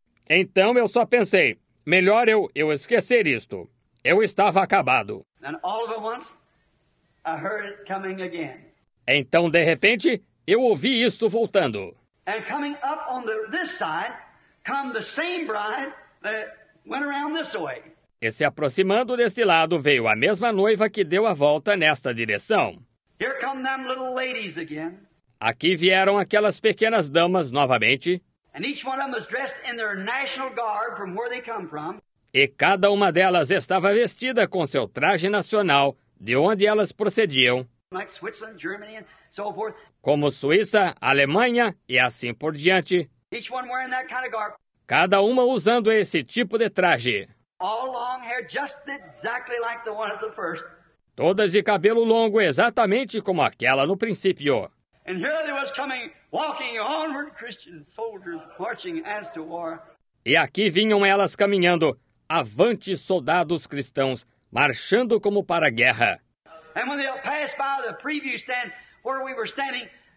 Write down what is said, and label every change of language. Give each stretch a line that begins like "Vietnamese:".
Portuguese: Então eu só pensei, melhor eu esquecer isto. Eu estava acabado.
English: And all of a once, I heard it coming again.
Portuguese: Então, de repente, eu ouvi isto voltando.
English: And coming up on this side, come the same bride that went around this way.
Portuguese: E se aproximando deste lado, veio a mesma noiva que deu a volta nesta direção.
English: Here come them little ladies again.
Portuguese: Aqui vieram aquelas pequenas damas novamente.
English: And each one of them was dressed in their national garb from where they come from.
Portuguese: E cada uma delas estava vestida com seu traje nacional de onde elas procediam.
English: Like Switzerland, Germany, and so forth.
Portuguese: Como Suíça, Alemanha e assim por diante.
English: Each one wearing that kind of garb.
Portuguese: Cada uma usando esse tipo de traje.
English: All long hair, just exactly like the one at the first.
Portuguese: Todas de cabelo longo, exatamente como aquela no princípio.
English: And here they was coming, walking onward, Christian soldiers marching as to war.
Portuguese: E aqui vinham elas caminhando, avante soldados cristãos, marchando como para a guerra.
English: And when they passed by the preview stand where we were standing.